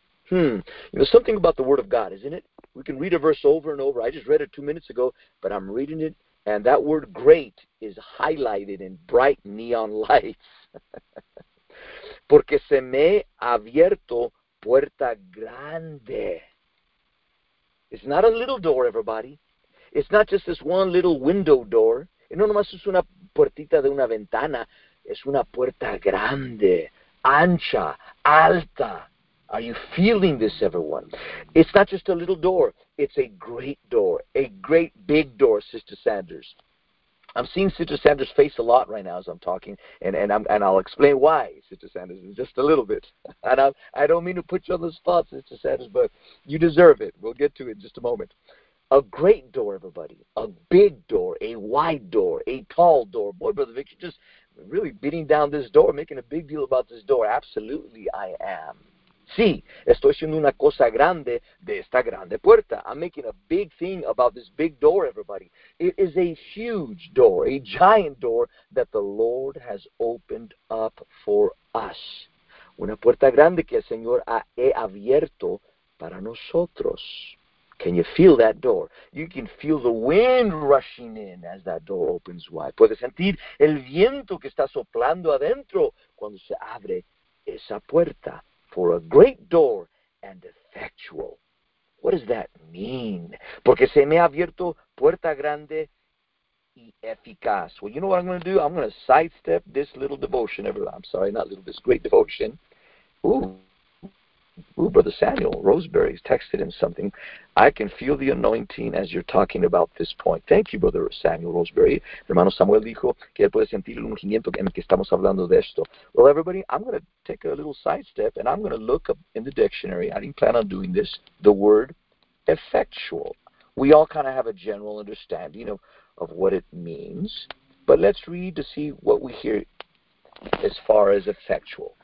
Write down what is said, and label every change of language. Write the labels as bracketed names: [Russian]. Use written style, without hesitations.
[English] You know, something about the Word of God, isn't it? We can read a verse over and over. I just read it 2 minutes ago, but I'm reading it, and that word great is highlighted in bright neon lights. [Spanish] Porque se me ha abierto puerta grande. [English] It's not a little door, everybody. It's not just this one little window door. [Spanish] Y no nomás es una puertita de una ventana. Es una puerta grande, ancha, alta. [English] Are you feeling this, everyone? It's not just a little door. It's a great door. A great big door, Sister Sanders. I'm seeing Sister Sanders' face a lot right now as I'm talking, and I'll explain why, Sister Sanders, in just a little bit. And I don't mean to put you on the spot, Sister Sanders, but you deserve it. We'll get to it in just a moment. A great door, everybody. A big door. A wide door. A tall door. Boy, Brother Vic, you just really beating down this door, making a big deal about this door. Absolutely, I am. [Spanish] Sí, estoy haciendo una cosa grande de esta grande puerta. [English] I'm making a big thing about this big door, everybody. It is a huge door, a giant door that the Lord has opened up for us. [Spanish] Una puerta grande que el Señor ha abierto para nosotros. [English] Can you feel that door? You can feel the wind rushing in as that door opens wide. [Spanish] Puedes sentir el viento que está soplando adentro cuando se abre esa puerta. [English] For a great door and effectual. What does that mean? [Spanish] Porque se me ha abierto puerta grande y eficaz. [English] Well, you know what I'm going to do? I'm going to sidestep this little devotion. I'm sorry, not little, this great devotion. Ooh, Brother Samuel Roseberry's texted in something. I can feel the anointing as you're talking about this point. Thank you, Brother Samuel Roseberry. [Spanish] Hermano Samuel dijo que él puede sentir el ungimiento en el que estamos hablando de esto. [English] Well, everybody, I'm going to take a little sidestep, and I'm going to look up in the dictionary. I didn't plan on doing this. The word effectual. We all kind of have a general understanding of what it means. But let's read to see what we hear as far as effectual.